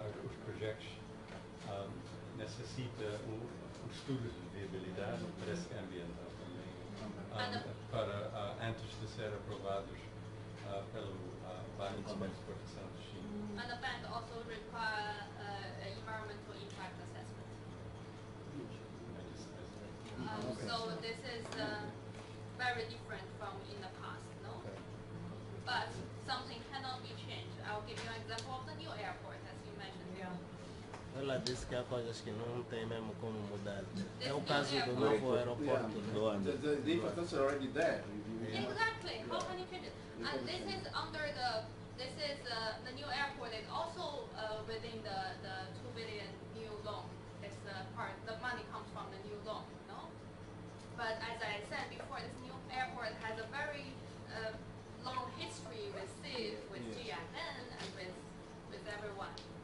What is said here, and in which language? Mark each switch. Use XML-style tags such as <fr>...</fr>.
<pt>Os projetos necessita um estudo de viabilidade, parece que ambiental também, para antes de ser aprovados pelo Banco de Exportação da China.</pt> <en>And the bank also require environmental impact assessment. So this is very different from in the past, no? But something cannot be changed. I'll give you an example of the new airport, as you mentioned.</en> <pt>Ela disse que há coisas que não tem mesmo como mudar. É o caso do novo aeroporto de Luanda.</pt> <en>The infrastructure is already there. Exactly. How can you change it? And this is under the this is the new airport is also within the $2 billion new loan. It's the part the money comes from the new loan, no? But as I said before, this new airport has a very long history with CIF, with GFN, and with everyone.</en>